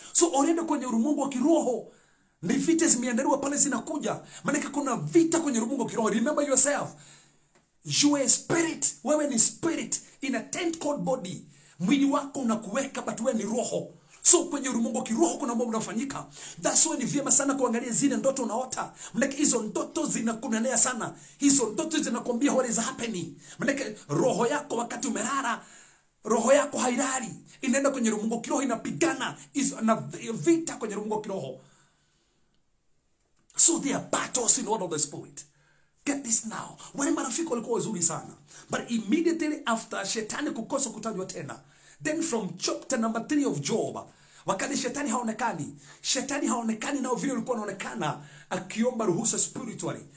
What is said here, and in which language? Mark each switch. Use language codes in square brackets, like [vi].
[sw] So orende kwenye ulimwengu wa kiroho. Ni vita zimeandaliwa pale zinakuja. Maana kuna vita kwenye ulimwengu wa kiroho. [en] Remember yourself. You are a spirit. [sw] Wewe ni [en] spirit in a tent called body. [sw] Mwili wako unakuweka but wewe ni roho. So kwenye ulimwengu wa kiroho kuna mambo yanafanyika. [en] That's why [sw] ni vyema sana kuangalia zile ndoto unaota. Maana hizo ndoto zinakunenea sana. Hizo ndoto zinakwambia [en] what is happening. [sw] Maana roho yako wakati umerara, roho yako hairari. Inaenda kwenye ulimwengu wa kiroho inapigana na vita kwenye ulimwengu wa kiroho. [en] So there are battles in one of the spirit. Get this now. [sw] Wale marafiki walikuwa wazuri sana. [en] But immediately after [sw] shetani kukosa kutajwa tena. [en] Then from chapter number 3 of Job, [sw] wakati shetani haonekani nao vile ulikuwa naonekana, akiomba ruhusa spiritually.